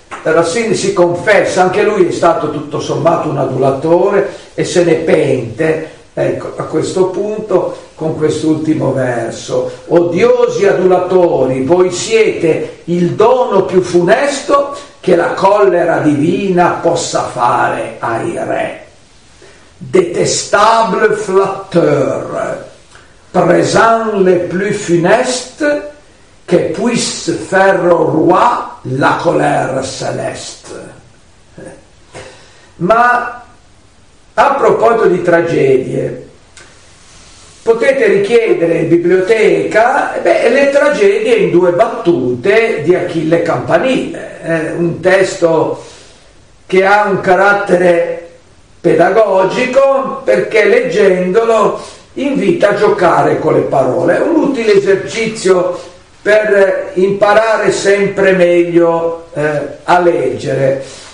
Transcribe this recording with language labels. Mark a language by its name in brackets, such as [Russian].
[Italian] Racine si confessa, anche lui è stato tutto sommato un adulatore e se ne pente, ecco, a questo punto, con quest'ultimo verso: odiosi adulatori, voi siete il dono più funesto che la collera divina possa fare ai re. [French] Detestable flatteur, présent le plus funeste que puisse faire au roi la colère céleste. [Italian] Ma a proposito di tragedie, potete richiedere in biblioteca le tragedie in due battute di Achille Campanile, un testo che ha un carattere pedagogico, perché leggendolo invita a giocare con le parole, un utile esercizio per imparare sempre meglio a leggere.